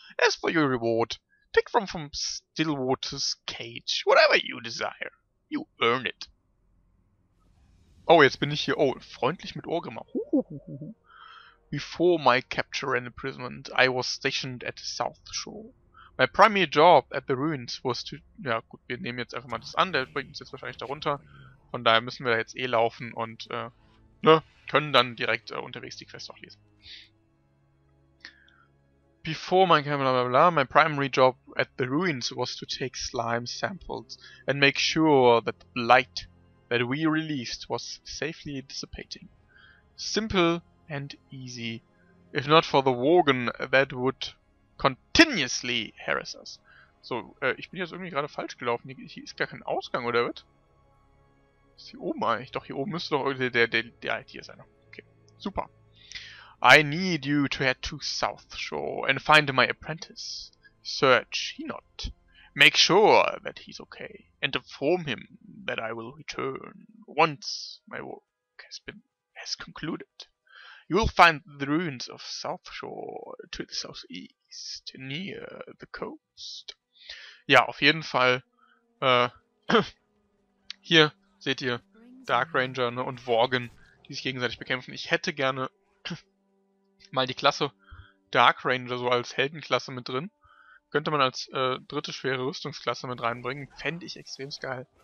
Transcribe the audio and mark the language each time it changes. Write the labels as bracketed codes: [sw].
[en] As for your reward, take from Stillwater's cage whatever you desire. You earn it. [de] Oh, jetzt bin ich hier. Oh, freundlich mit Ohr gemacht. Huhuhuhu. [en] Before my capture and imprisonment, I was stationed at the South Shore. My primary job at the ruins was to... [de] Ja, gut, wir nehmen jetzt einfach mal das an. Der bringt uns jetzt wahrscheinlich darunter. Von daher müssen wir da jetzt eh laufen und können dann direkt unterwegs die Quest auch lesen. [en] Before my blah, blah, blah, my primary job at the ruins was to take slime samples and make sure that the blight that we released was safely dissipating. Simple and easy. If not for the Wogan, that would continuously harass us. [de] So, ich bin jetzt irgendwie gerade falsch gelaufen. Hier ist gar kein Ausgang, oder was? Ist hier oben eigentlich? Doch, hier oben müsste doch der IT sein. Okay, super. [en] I need you to head to South Shore and find my apprentice. Search Hinot. Make sure that he's okay, and inform him that I will return once my work has concluded. You will find the ruins of South Shore to the southeast, near the coast. [de] Ja, auf jeden Fall, hier seht ihr Dark Ranger, ne, und Worgen, die sich gegenseitig bekämpfen. Ich hätte gerne mal die Klasse Dark Ranger so als Heldenklasse mit drin. Könnte man als dritte schwere Rüstungsklasse mit reinbringen. Fände ich extrem geil.